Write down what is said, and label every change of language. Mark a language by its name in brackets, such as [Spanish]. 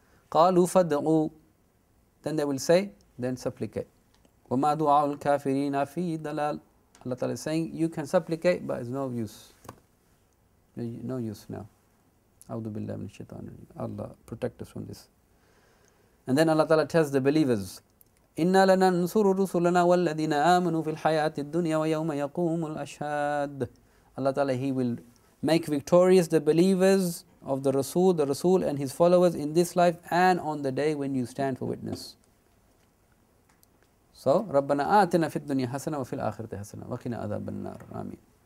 [Arabic] قَالُوا فَدْعُوا. [English] Then they will say, then supplicate. [Arabic] وَمَا دُعَوْا الْكَافِرِينَ فِي دَلَالِ. [English] Allah Ta'ala is saying, you can supplicate, but it's no use. No use now. A'udhu billahi min shaitanir rajim. Allah, protect us from this. And then Allah Ta'ala tells the believers, [Arabic] إِنَّا لَنَنْصُرُ رُسُلَنَا وَالَّذِينَ آمَنُوا فِي الْحَيَاةِ الدُّنْيَا وَيَوْمَ يَقُومُ الْأَشْهَادِ. [English] Allah Ta'ala, He will make victorious the believers of the Rasul and His followers in this life and on the day when you stand for witness. [Arabic] So, رَبَّنَا آتِنَا فِي الدُّنْيَا حَسَنَا وَفِي الْآخِرَةِ حَسَنَا وَقِنَا عَذَابَ النَّارِ. Ameen.